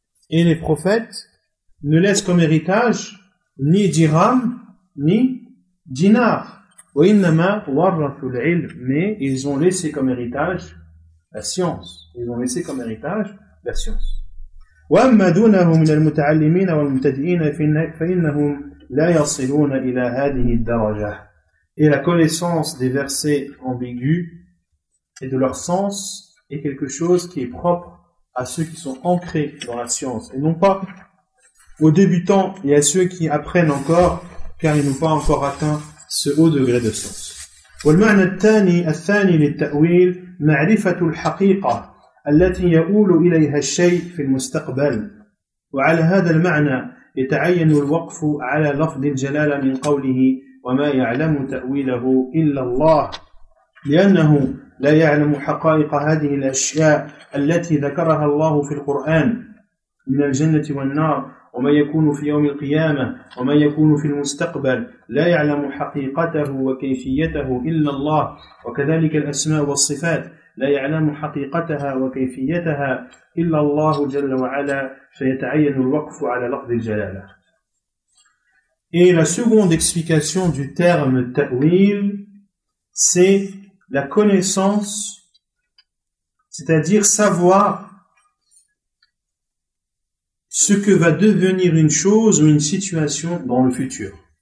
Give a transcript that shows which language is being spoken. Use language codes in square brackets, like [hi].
[fr] Et les prophètes ne laissent comme héritage ni dirham ni dinar. [ar] وإنما ورثوا العلم, [fr] mais ils ont laissé comme héritage la science. Ils ont laissé comme héritage la science. [ar] وأما دونهم من المتعلمين والمبتدئين فإنهم لا يصلون إلى هذه الدرجة. [fr] Et la connaissance des versets ambigus et de leur sens est quelque chose qui est propre à ceux qui sont ancrés dans la science, et non pas aux débutants et à ceux qui apprennent encore, car ils n'ont pas encore atteint ce haut degré de sens. [ar] والمعنى الثاني الثاني للتأويل معرفة الحقيقة التي يؤول إليها الشيء في المستقبل. وعلى هذا المعنى يتعين الوقف على لفظ الجلالة من قوله وما يعلم تأويله إلا الله لأنه لا يعلم حقائق هذه الأشياء التي ذكرها الله في القرآن من الجنة والنار وما يكون في يوم القيامة وما يكون في المستقبل لا يعلم حقيقته وكيفيته إلا الله وكذلك الأسماء والصفات لا يعلم حقيقتها وكيفيتها إلا الله جل وعلا فيتعين الوقف على لفظ الجلالة. [fr] Et la seconde explication du terme ta'wil, c'est la connaissance, c'est-à-dire savoir ce que va devenir une chose ou une situation dans le futur.